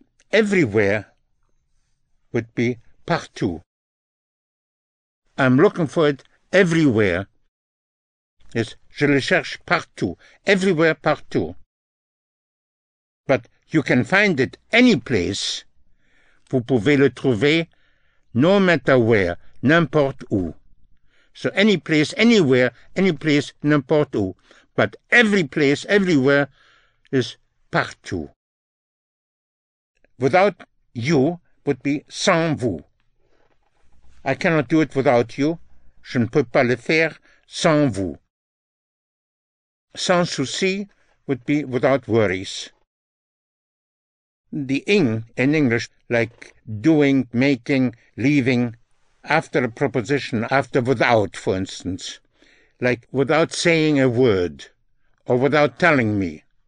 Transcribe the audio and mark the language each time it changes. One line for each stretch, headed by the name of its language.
English: Everywhere would be partout. I'm looking for it everywhere. Yes,
French: je le cherche partout.
English: Everywhere, partout. But you can find it any place.
French: Vous pouvez le trouver
English: no matter where,
French: n'importe où.
English: So any place, anywhere, any place,
French: n'importe où.
English: But every place, everywhere is partout. Without you would be
French: sans vous.
English: I cannot do it without you.
French: Je ne peux pas le faire sans vous. Sans souci
English: would be without worries. The ing in English, like doing, making, leaving, after a proposition, after without, for instance, like without saying a word or without telling me.